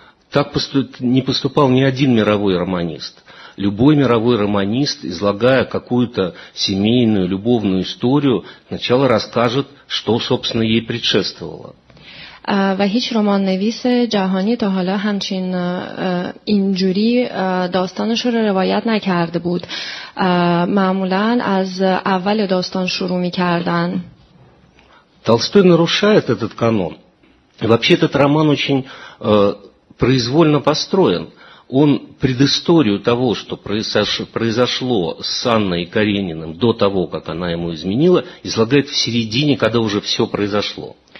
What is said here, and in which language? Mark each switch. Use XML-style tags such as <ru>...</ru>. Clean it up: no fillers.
<ru>Так не поступал ни один мировой романист. Любой мировой романист, излагая какую-то семейную, любовную историю, сначала расскажет, что, собственно, ей предшествовало.</ru> <fa>و هیچ رمان نویس جهانی تا حالا همچین اینجوری داستانش رو روایت نکرده بود. معمولا از اول داستان شروع می‌کردن.</fa> <ru>Толстой нарушает этот канон. Вообще этот роман очень произвольно построен. Он предысторию того, что произошло с Анной Карениным до того, как она ему изменила, излагает в середине, когда уже все произошло.</ru>